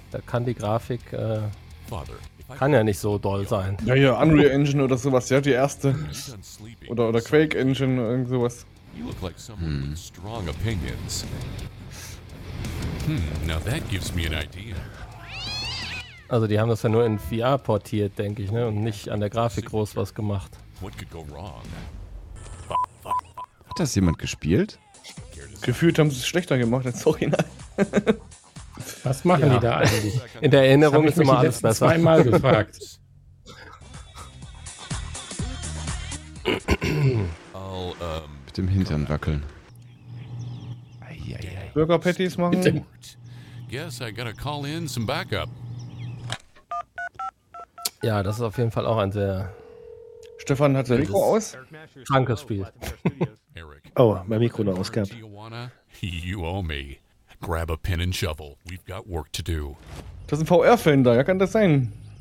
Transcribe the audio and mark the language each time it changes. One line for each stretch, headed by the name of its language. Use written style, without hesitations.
German: Da kann die Grafik kann ja nicht so doll sein. Ja, ja, Unreal Engine oder sowas, ja, die erste. Oder Quake Engine oder irgend sowas.
English: You look like someone with strong opinions. Now that gives me an idea.
German: Also, die haben das ja nur in VR portiert, denke ich, ne, und nicht an der Grafik groß was gemacht.
English: What could go wrong?
German: Hat das jemand gespielt? Gefühlt haben sie es schlechter gemacht als Original. Was machen die da eigentlich? In der Erinnerung ist immer alles besser. Zweimal gefragt. Mit dem Hintern wackeln. Burger Patties machen.
English: Guess I gotta call in some backup.
German: Ja, das ist auf jeden Fall auch ein sehr. Stefan hat sein Mikro aus. Krankes Spiel. Oh, mein Mikro noch ausgehabt.
English: You owe me. Grab a pen and shovel. We've got work to do.
German: Das ist ein VR-Film da, ja, kann das sein?